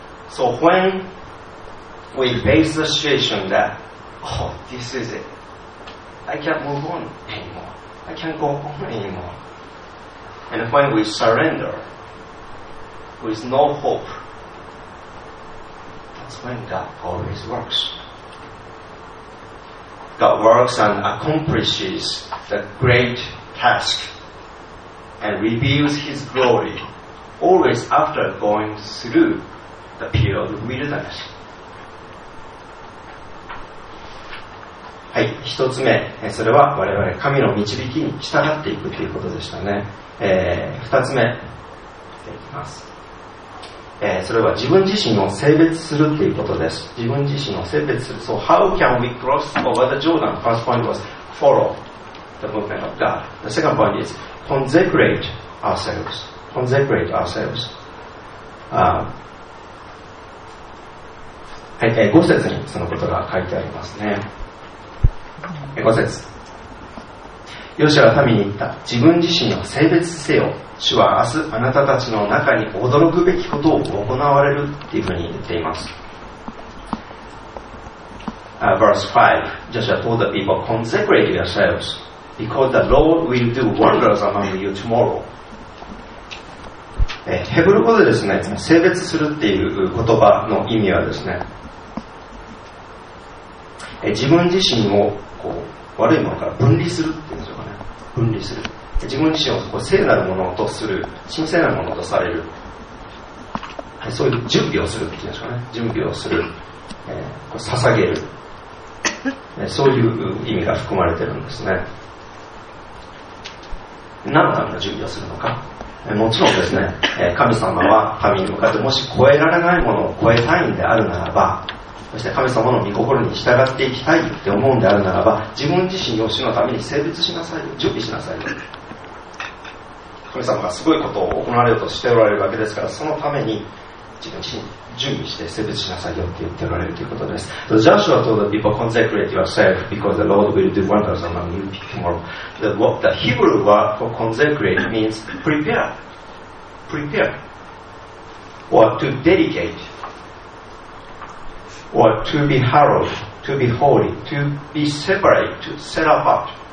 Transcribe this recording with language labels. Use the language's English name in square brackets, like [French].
[English] So when we face the situation that, oh, this is it, I can't move on anymore, I can't go on anymore, and when we surrender with no hope, that's when God always works. God works and accomplishes the great task and reveals His glory always after going through the period of wilderness. [Japanese] はい、一つ目、それは我々神の導きに従っていくということでしたね。二つ目、いきます。それは自分自身を性別するということです。自分自身を性別する。 [English] So how can we cross over the Jordan? First point was follow the movement of God. The second point is consecrate ourselves. Consecrate ourselves. [Japanese] 五節にそのことが書いてありますね。五節。ヨシアは民に言った。自分自身を性別せよ。主は明日あなたたちの中に驚くべきことを行われるっていうふうに言っています。 [English] Verse 5. Joshua told the people, consecrate yourselves, because the Lord will do wonders among you tomorrow. [Japanese] ヘブル語でですね、性別するっていう言葉の意味はですね、自分自身をこう悪いものから分離するっていうんでしょうかね。分離する。自分自身をこう聖なるものとする、神聖なものとされる。そういう準備をするっていうんでしょうかね。準備をする。こう捧げる。そういう意味が含まれているんですね。何のための準備をするのか。もちろんですね、神様は神に向かってもし超えられないものを超えたいんであるならば、そして神様の御心に従っていきたいって思うんであるならば、自分自身を主のために性別しなさいよ、準備しなさいよ。神様がすごいことを行われようとしておられるわけですから、そのために自分自身準備して性別しなさいよって言っておられるということです。 [English] So, Joshua told the people, consecrate yourself because the Lord will do wonders among you tomorrow. The Hebrew word for consecrate means prepare, or to dedicate, or to be hallowed, to be holy, to be separate, to set apart.